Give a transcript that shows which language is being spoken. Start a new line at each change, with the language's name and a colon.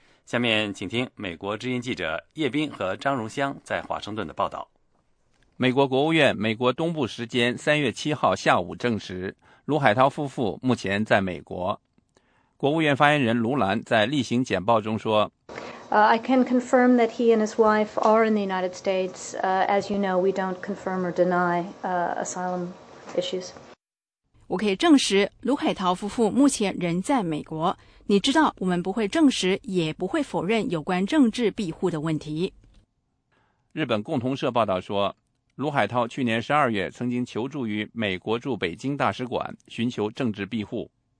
Chinese: 下面请听美国之音记者叶斌和张荣香在华盛顿的报道。美国国务院美国东部时间3月7号下午证实，卢海涛夫妇目前在美国。国务院发言人卢兰在例行简报中说
English: I can confirm that he and his wife are in the United States. As you know, we don't confirm or deny asylum issues.
Chinese: 我可以证实卢海涛夫妇目前仍在美国。你知道我们不会证实也不会否认有关政治庇护的问题。日本共同社报道说，卢海涛去年12月曾经求助于美国驻北京大使馆寻求政治庇护。